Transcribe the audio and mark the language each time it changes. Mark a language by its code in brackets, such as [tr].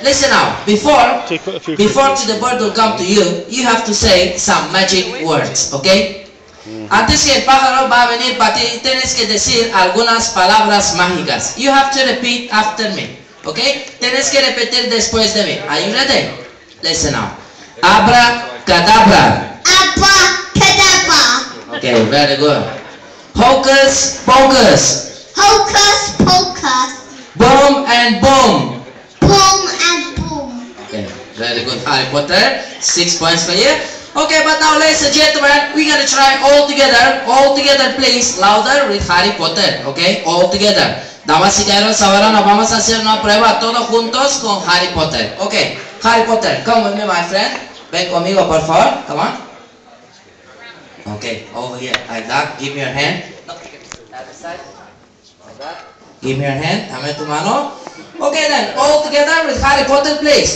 [en] Listen now, before to the bird will come to you, you have to say some magic words, okay? Mm-hmm. [es] Antes que el pájaro va a venir para ti, tienes que decir algunas palabras mágicas. [en] You have to repeat after me, okay? [es] Tienes que repetir después de mí. [en] Are you ready? Listen now. Abra cadabra. Abra cadabra. Okay, very good. Hocus pocus. Hocus pocus. Boom and boom. Boom and boom. Okay, very good, Harry Potter. 6 points for you. Okay, but now, ladies and gentlemen, we're gonna try all together, please, louder with Harry Potter. Okay, all together. [es] Damas y caballeros, ahora nos vamos a hacer una prueba todos juntos con Harry Potter. [en] Okay, Harry Potter, come with me, my friend. [es] Ven conmigo, por favor. [en] Come on. Okay, over here, like that. Give me your hand. Give me your hand, [es] dame tu mano. [en] Okay then, all together with Harry Potter, please.